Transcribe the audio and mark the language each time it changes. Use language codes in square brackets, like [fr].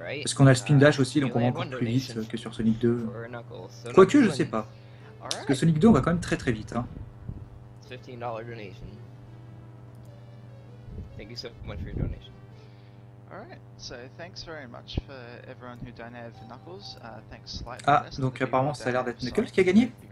[fr] Parce qu'on a le spin dash aussi, donc on va encore plus vite que sur Sonic 2. Quoique, je sais pas. Parce que Sonic 2, on va quand même très très vite. Hein. [en] $15 donation. Thank you so much for your donation. Alright, so thanks very much for everyone who donated for Knuckles. Thanks slightly. [fr] Ah, donc apparemment, ça a l'air d'être Knuckles qui a gagné.